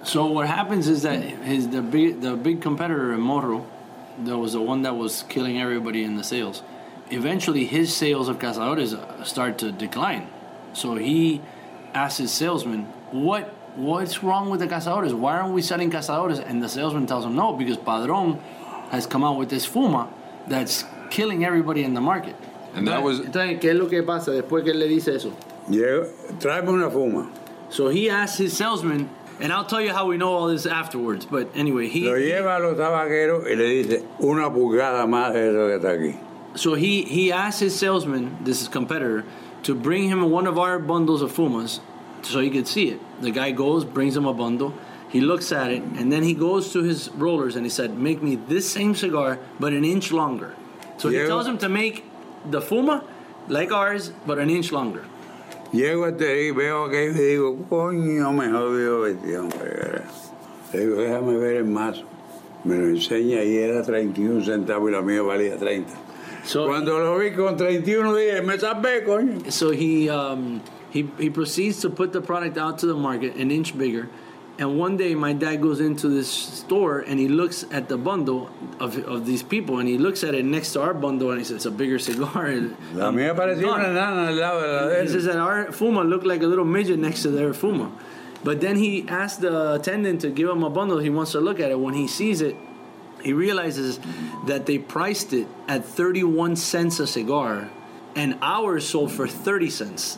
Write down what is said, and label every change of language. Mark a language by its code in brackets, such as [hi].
[en] So what happens is that the big competitor, Moro, that was the one that was killing everybody in the sales, eventually his sales of cazadores start to decline. So he asks his salesman, what's wrong with the cazadores? Why aren't we selling cazadores? And the salesman tells him, no, because Padron has come out with this fuma that's killing everybody in the market. And that was... [es] Entonces, ¿qué es lo que pasa después que él le dice eso? Yeah, tráeme una fuma. [en] So he asks his salesman, and I'll tell you how we know all this afterwards, but anyway, he... [es] Lo lleva a los tabaqueros y le dice, una pulgada más de eso que está aquí. [en] So he asks his salesman, this is competitor, to bring him one of our bundles of Fumas so he could see it. The guy goes, brings him a bundle, he looks at it, and then he goes to his rollers and he said, make me this same cigar, but an inch longer. So he tells him to make the Fuma like ours, but an inch longer. [es] Llego hasta ahí, veo aquí, y digo, coño, mejor veo este hombre. Le digo, déjame ver el mazo. Me lo enseña y era 31 centavos y la mía valía 30. So, cuando lo vi con 31 días, me salvé, coño. [en] So he proceeds to put the product out to the market an inch bigger, And one day my dad goes into this store and he looks at the bundle of these people and he looks at it next to our bundle and he says, it's a bigger cigar. [es] La mía parecía una nana al lado de la de [en] él. He says that our Fuma looked like a little midget next to their Fuma. But then he asked the attendant to give him a bundle. He wants to look at it. When he sees it, he realizes that they priced it at 31 cents a cigar and ours sold for 30 cents.